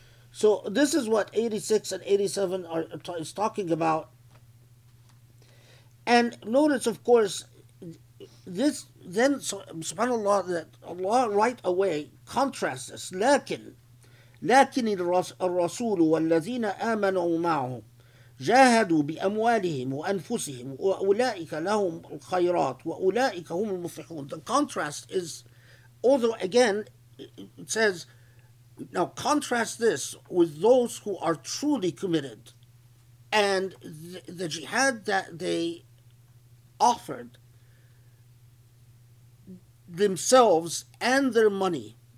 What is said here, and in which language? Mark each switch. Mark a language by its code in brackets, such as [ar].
[en] So this is what 86 and 87 is talking about. And notice, of course, this then, so, subhanAllah, that Allah right away contrasts this. [ar] لكن الرسول والذين آمنوا معه جاهدوا بأموالهم وأنفسهم وأولئك لهم الخيرات وأولئك هم المفلحون. [en] The contrast is, although again, it says, now contrast this with those who are truly committed and the jihad that they offered themselves and their money.